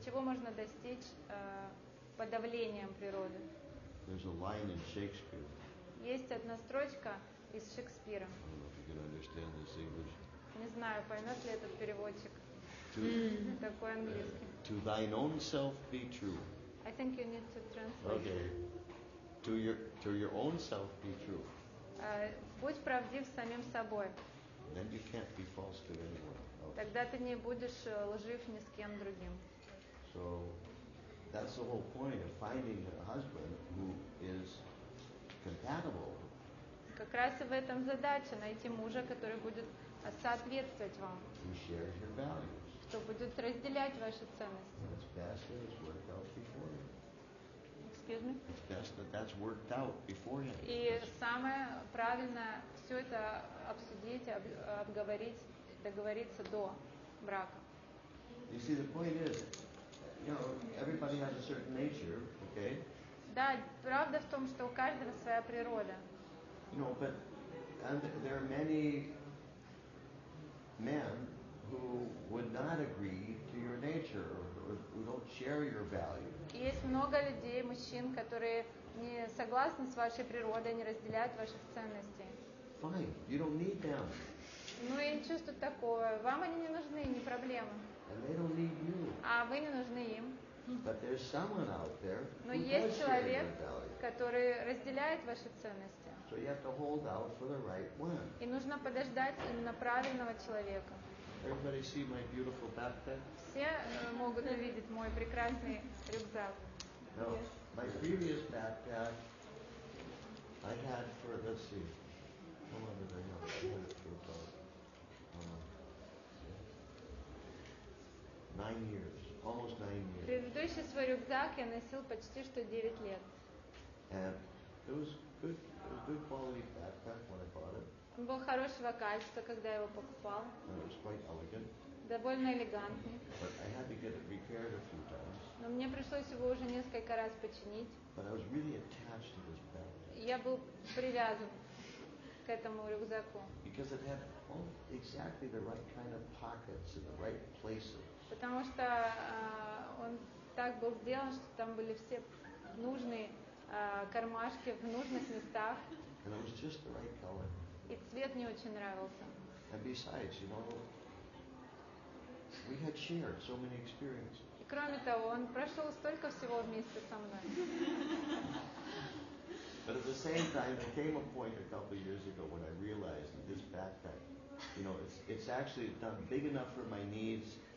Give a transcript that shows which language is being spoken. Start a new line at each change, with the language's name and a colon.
Russian: Чего можно достичь подавлением природы?
English: There's a line in Shakespeare.
Russian: Есть одна строчка из Шекспира.
English: I don't know if you can understand this English.
Russian: Не знаю, поймет ли этот переводчик. Такой английский.
English: To thine own self be true. I think you need to translate. Okay. To your own self be true.
Russian: Будь правдив самим собой.
English: Then you can't be false to anyone else.
Russian: Тогда ты не будешь лжив ни с кем другим.
English: So that's the whole point of finding a husband who is compatible.
Russian: Как раз и в этом задача — найти мужа, который будет соответствовать вам.
English: Who shares your values.
Russian: Кто будет разделять ваши ценности.
English: It's best that it's worked out before you. Excuse me? It's best that that's worked out before you.
Russian: И самое правильное — все это обсудить, обговорить, договориться до брака.
English: You see, the point is, you know, everybody has a certain nature, okay?
Russian: Да, правда в том, что у каждого своя природа.
English: You know, but and there are many men who would not agree to your nature or who don't share your values.
Russian: Есть много людей, мужчин, которые не согласны с вашей природой, не разделяют ваших ценностей.
English: Fine, you don't need them.
Russian: Ну и чувство такое. Вам они не нужны, не проблема.
English: And they don't need you.
Russian: А вы не нужны им.
English: But there's someone out there who
Russian: Но есть человек, который разделяет ваши ценности.
English: So you have to hold out for the right one.
Russian: И нужно подождать именно правильного человека.
English: Everybody see my beautiful backpack?
Russian: Все могут увидеть мой прекрасный рюкзак.
English: No, my previous backpack I had for, let's see, how long did I have it for about 9 years. Almost 9 years.
Russian: Предыдущий свой рюкзак я носил почти что 9 лет.
English: And it was good quality backpack when I bought it.
Russian: Он был хорошего качества, когда я его покупал.
English: And it was quite elegant.
Russian: Довольно элегантный.
English: But I had to get it repaired a few times.
Russian: Но мне пришлось его уже несколько раз починить.
English: But I was really attached to this backpack.
Russian: Я был привязан к этому рюкзаку.
English: Because it had all exactly the right kind of pockets in the right places.
Russian: Потому что он так был сделан, что там были все нужные кармашки в нужных местах.
English: And it was just the right color.
Russian: И цвет мне очень нравился.
English: And besides, you know, we had shared so many experiences.
Russian: И кроме того, он прошел столько всего вместе со мной.
English: But at the same time, there came a point a couple of years ago when I realized that this backpack, you know, it's actually not big enough for my needs.